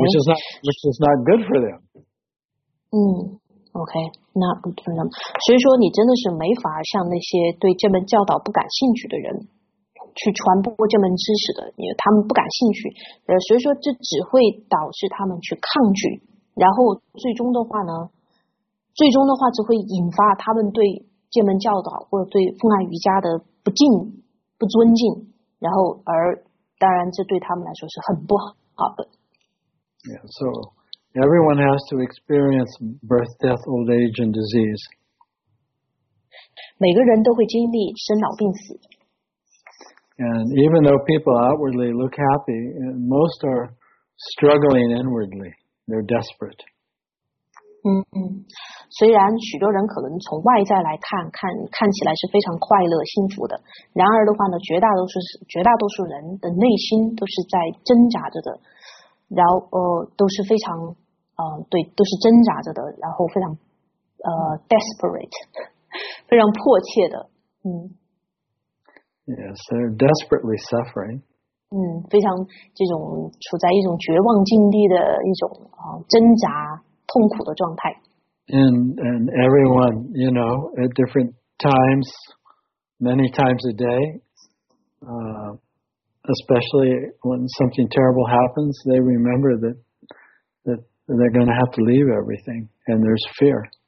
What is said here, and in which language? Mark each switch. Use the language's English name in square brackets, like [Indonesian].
[English] Which is not good for them. Okay, not good for them. [Chinese] 所以说你真的是没法向那些对这门教导不感兴趣的人去传播这门知识的，因为他们不感兴趣，所以说这只会导致他们去抗拒，然后最终的话只会引发他们对这门教导或者对奉爱瑜伽的不敬不尊敬，然后而当然这对他们来说是很不好的。 [English] Yeah, so everyone has to experience birth, death, old age and disease. [Chinese] 每个人都会经历生老病死。 [English] And even though people outwardly look happy, most are struggling inwardly. They're desperate. [Chinese] 虽然许多人可能从外在来看起来是非常快乐幸福的，然而的话呢，绝大多数人的内心都是在挣扎着的，然后都是非常对，都是挣扎着的，然后非常desperate， 非常迫切的， [English] Yes, they're desperately suffering. [Chinese] 非常这种处在一种绝望境地的一种挣扎痛苦的状态。 [English] And everyone, you know, at different times, many times a day, especially when something terrible happens, they remember that they're going to have to leave everything, and there's fear.